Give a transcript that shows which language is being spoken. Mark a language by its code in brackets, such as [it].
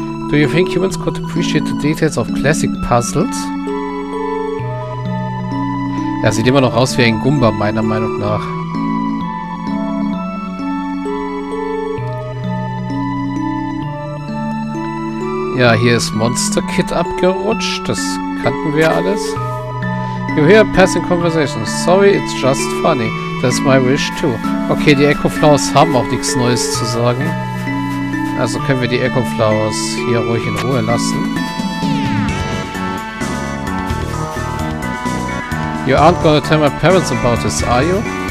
[en] Do you think humans could appreciate the details of classic puzzles? [de] Ja, sieht immer noch aus wie ein Goomba, meiner Meinung nach. Ja, hier ist Monster Kid abgerutscht. Das kannten wir alles. [en] You hear a passing conversation. Sorry, it's just funny. That's my wish too. [de] Okay, die Echo Flowers haben auch nichts Neues zu sagen. Also können wir die Echo Flowers hier ruhig in Ruhe lassen. [en] You aren't gonna tell my parents about this, are you?